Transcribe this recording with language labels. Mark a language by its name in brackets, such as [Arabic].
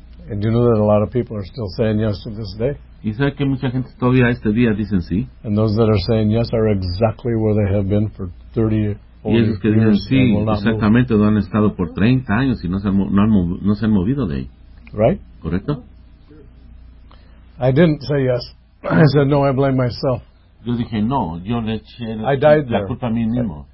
[English] And you know that a lot of people are still saying yes to this day? [Spanish] ¿Y sabe que mucha gente todavía este día dicen sí? [English] And those that are saying yes are exactly where they have been for 30 years. [Spanish] Y esos que dicen sí, exactamente, donde han estado por 30 años y no se han movido de ahí. [English] Right? [Spanish] ¿Correcto? [English] I didn't say yes. I said, no, I blame myself. [Spanish] Yo dije, no, yo le eché la culpa a mí mismo.